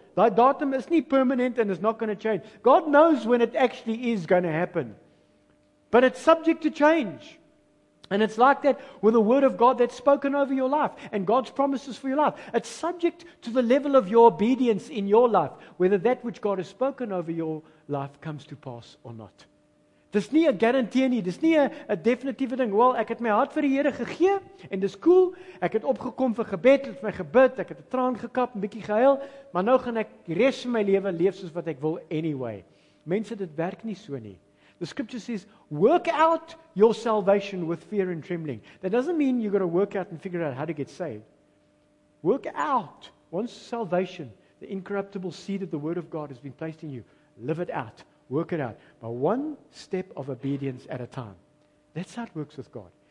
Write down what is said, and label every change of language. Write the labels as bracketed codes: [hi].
[en] Thy datum [af] is nie [en] permanent and it's not going to change. God knows when it actually is going to happen. But it's subject to change. And it's like that with the word of God that's spoken over your life and God's promises for your life. It's subject to the level of your obedience in your life, whether that which God has spoken over your life comes to pass or not. [af] Dis nie 'n garantie nie, dis nie 'n definitiewe ding. Wel, ek het my hart vir die Here gegee en dis cool. Ek het opgekom vir gebed, het my gebid, ek het 'n traan gekap, 'n bietjie gehuil, maar nou gaan ek die res van my lewe leef soos wat ek wil anyway. Mense, dit werk nie so nie. [en] The scripture says, work out your salvation with fear and trembling. That doesn't mean you've got to work out and figure out how to get saved. Work out. Once salvation, the incorruptible seed of the word of God has been placed in you, live it out. Work it out. But one step of obedience at a time. That's how it works with God.